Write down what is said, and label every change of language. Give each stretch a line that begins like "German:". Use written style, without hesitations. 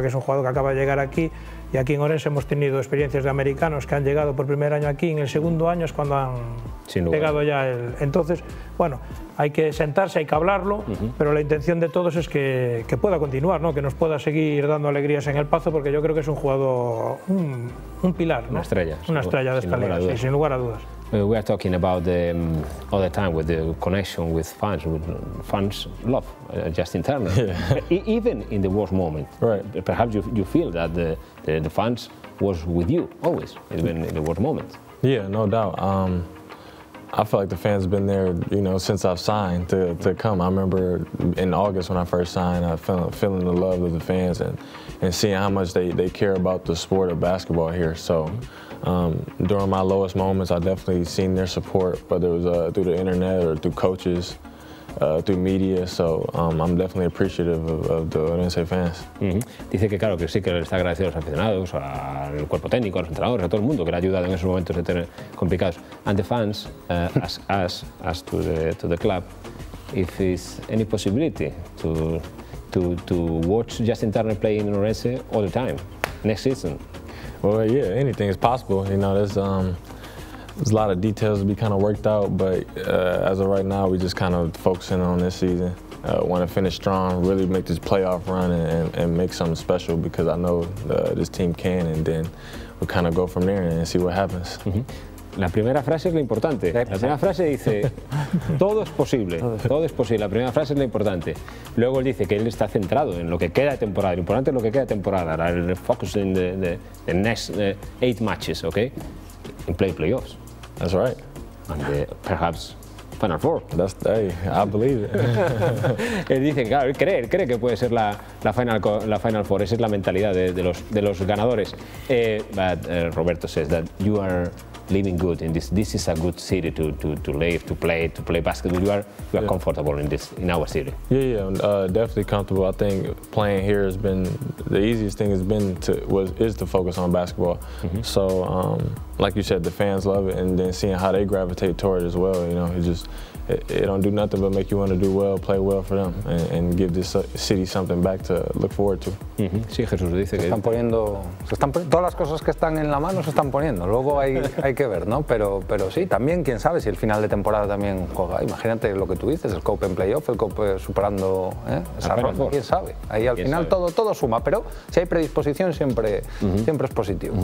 Spanish: Porque es un jugador que acaba de llegar aquí y aquí en Orense hemos tenido experiencias de americanos que han llegado por primer año aquí, en el segundo año es cuando han pegado ya el... Entonces, bueno, hay que sentarse, hay que hablarlo, pero la intención de todos es que pueda continuar, ¿no? Que nos pueda seguir dando alegrías en el Pazo, porque yo creo que es un jugador, un pilar, ¿no? Una estrella. Una estrella de esta liga, sin lugar a dudas.
English: We are talking about all the time with the connection with fans. Fans love Justin Turner, even in the worst moment. Right. Perhaps you feel that the fans was with you always, even in the worst moment. Yeah, no doubt. I feel like the fans have been there, you know, since I've signed to come. I remember in August when I first signed, I feeling the love of the fans and seeing how much they care about the sport of basketball here. So. During my lowest moments, I definitely seen their support, whether it was through the internet or through coaches, through media. So I'm definitely appreciative of the Orense fans.
Spanish: Dice que claro que sí, que le está agradecido a los aficionados, al cuerpo técnico, a los entrenadores, a todo el mundo que le ha ayudado en esos momentos de tener complicados.
English: And the fans ask us to the club if there's any possibility to watch Justin Turner playing in Orense all the time next season. Well, yeah, anything is possible. You know, there's a lot of details to be kind of worked out, but as of right now, we're just kind of focusing on this season. Want to finish strong, really make this playoff run and make something special because I know this team can, and then we'll kind of go from there and see what happens.
Spanish: La primera frase es lo importante. La primera frase dice, todo es posible, todo es posible. La primera frase es lo importante. Luego él dice que él está centrado en lo que queda de temporada. Lo importante es lo que queda de temporada.
English: El focus in the next eight matches, ¿ok? In playoffs. That's right. And perhaps Final Four. That's, hey, I believe it.
Spanish: Él dice, claro, él cree que puede ser la Final Four. Esa es la mentalidad de los ganadores.
English: But Roberto says that you are... living good in this. This is a good city to live, to play basketball. You are comfortable in this, in our city. Definitely comfortable. I think playing here has been the easiest thing. Has been to was is to focus on basketball. Mm-hmm. So, like you said, the fans love it, and then seeing how they gravitate toward it as well. You know, it just it don't do nothing but make you want to do well, play well for them, and give this city something back to look forward to. Mm-hmm.
Spanish: Sí, Jesús dice que se están poniendo todas las cosas que están en la mano, se están poniendo. Luego hay que ver, ¿no? Pero sí, también, quién sabe si el final de temporada también juega. Imagínate lo que tú dices, el Cope en playoff, el Cope superando esa ronda. ¿Quién sabe? Ahí al final todo suma, pero si hay predisposición siempre, mm-hmm, siempre es positivo.